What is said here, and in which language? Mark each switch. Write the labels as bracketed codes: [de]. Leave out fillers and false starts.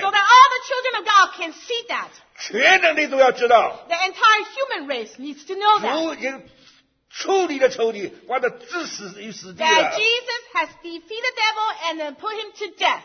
[en] So that all the children of God can see that. [zh] 全人类都要知道。 [en] The entire human race needs to know that. [zh] 处理的仇敌，把他致死于死地了。 [en] That Jesus has defeated the devil and put him to death.